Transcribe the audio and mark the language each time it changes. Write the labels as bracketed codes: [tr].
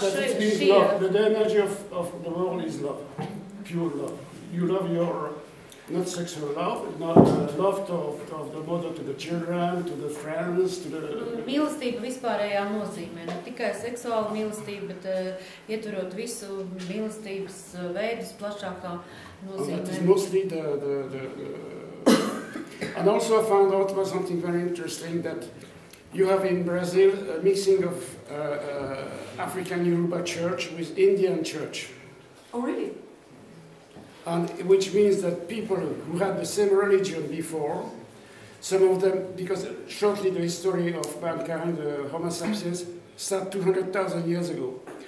[en] the energy of the world is love, pure love. You love your not sexual love, not love of the mother to the children, to the friends, to the [lv] mīlestība vispārējā nozīmē, ne tikai seksuāla mīlestība, bet ietverot visu mīlestības veidus plašākā nozīmē. [en] And also I found out about something very interesting that you have in Brazil a mixing of African Yoruba church with Indian church. Oh really? And which means that people who had the same religion before, some of them, because shortly the history of mankind, the Homo sapiens, started 200,000 years ago.